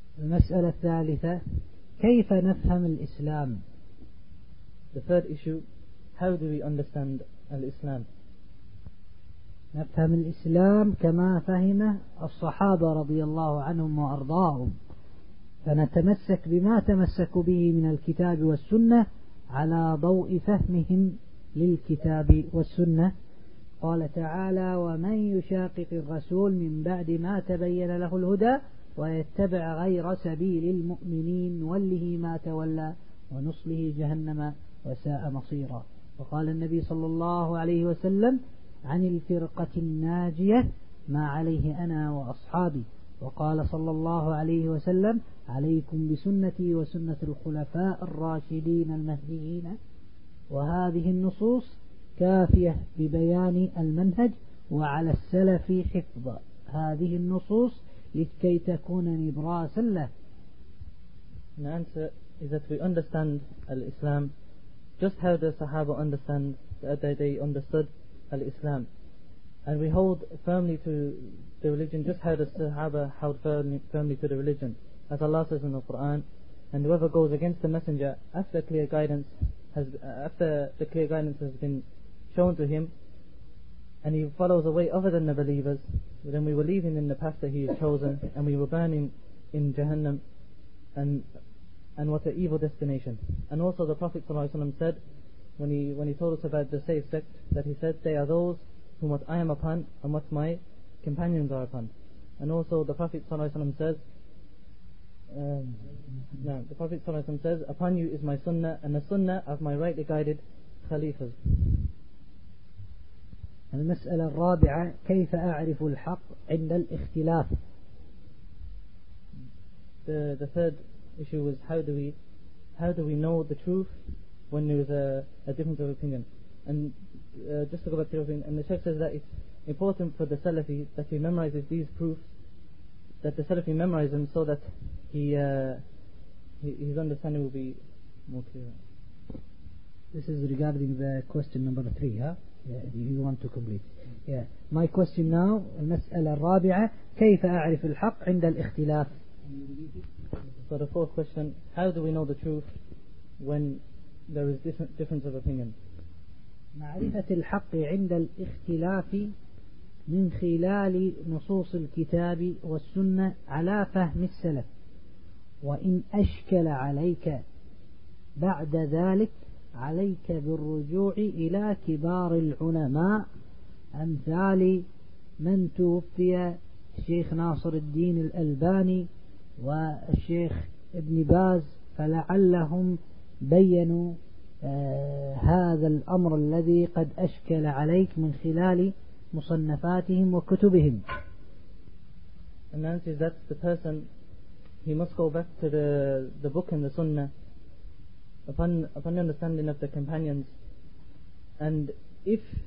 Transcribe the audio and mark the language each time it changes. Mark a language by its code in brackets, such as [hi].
[ar] المسألة الثالثة كيف نفهم الإسلام. [en] The third issue, how do we understand Islam? [ar] نفهم الإسلام كما فهمه الصحابة رضي الله عنهم وأرضاهم، فنتمسك بما تمسكوا به من الكتاب والسنة على ضوء فهمهم للكتاب والسنة. قال تعالى: ومن يشاقق الرسول من بعد ما تبين له الهدى ويتبع غير سبيل المؤمنين وله ما تولى ونصله جهنم وساء مصيرا. وقال النبي صلى الله عليه وسلم عن الفرقة الناجية: ما عليه أنا وأصحابي. وقال صلى الله عليه وسلم: عليكم بسنتي وسنة الخلفاء الراشدين المهديين. وهذه النصوص كافية ببيان المنهج، وعلى السلف حفظ هذه النصوص لكي تكون نبراسا له. [en] The answer is that we understand Islam just how the Sahaba understand that they understood Islam, and we hold firmly to the religion just how the Sahaba held firmly to the religion. As Allah says in the Quran, and whoever goes against the messenger after the clear guidance has been shown to him, and he follows a way other than the believers, then we will leave him in the path that he has chosen, and we will burn him in Jahannam, and what an evil destination. And also the Prophet ﷺ said, when he told us about the safe sect, that he said, they are those whom what I am upon and what my companions are upon. And also the Prophet ﷺ says, upon you is my sunnah and the sunnah of my rightly guided khalifas. [ar] المسألة الرابعة: كيف أعرف الحق عند الاختلاف. [en] The third issue was how do we know the truth when there is a difference of opinion. And just to go back to the opinion, and the Sheikh says that it's important for the Salafi that he memorizes these proofs, that the Salafi memorize them so that his understanding will be more clear. This is regarding the question number 3, huh? Yeah, if you want to complete. Yeah. My question now, [ar] المسألة الرابعة: كيف أعرف الحق عند الاختلاف. [en] So the fourth question: how do we know the truth when there is difference of opinion? [ar] معرفة الحق عند الاختلاف من خلال نصوص الكتاب والسنة على فهم السلف. وإن أشكل عليك بعد ذلك، عليك بالرجوع إلى كبار العلماء أمثال من توفي الشيخ ناصر الدين الألباني والشيخ ابن باز، فلعلهم بينوا هذا الأمر الذي قد أشكل عليك من خلال مصنفاتهم وكتبهم. [en] And that is that the person, he must go back to the book and the sunnah upon the understanding of the companions, and if